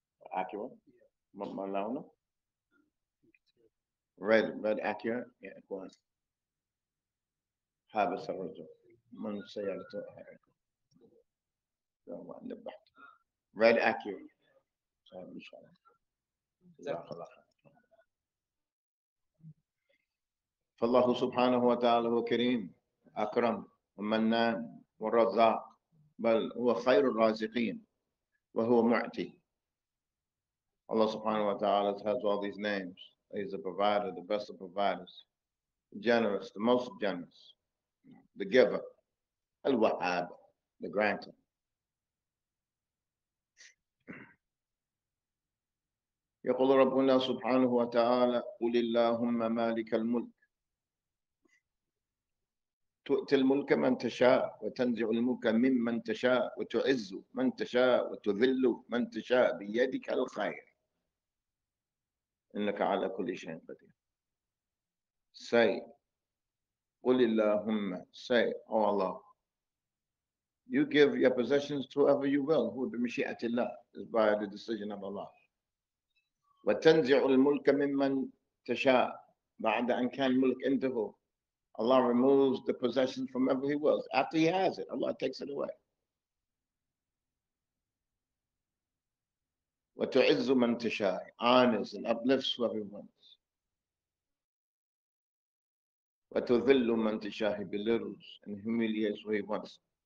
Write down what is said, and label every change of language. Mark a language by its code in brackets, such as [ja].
[en] accurate [ar] ما لونه [en] red red accurate yeah it was [ar] هذا سرج من سيالته هيك لو ما نبحت [en] red accurate [ar] صحيح إن شاء الله جزاك الله خير. فالله سبحانه وتعالى هو كريم أكرم ومنان والرزاق، بل هو خير الرازقين وهو معتي. [en] Allah subhanahu wa ta'ala has all these names. He is the provider, the best of providers, the generous, the most generous, the giver, الوهاب, the granter. [ar] يقول ربنا سبحانه وتعالى قل اللهم مالك الملك تؤتي الملك من تشاء وتنزع الملك ممن تشاء وتعز من تشاء وتذل من تشاء بيدك الخير إنك على كل شيء قدير. [en] Say, [ar] قل اللهم [en] say, O Allah, you give your possessions to whoever you will, who [ar] بمشيئة الله, [en] is by the decision of Allah. [ar] وتنزع الملك ممن تشاء بعد أن كان ملك انتهى. [en] Allah removes the possession from whoever he wills. After he has it, Allah takes it away. [ar] وَتُعِزُّ مَنْ تَشَاءِ [en] honors and uplifts whoever he wants. [ar] وَتُذِلُّ مَنْ تَشَاءِ [en] belittles and humiliates whoever he wants.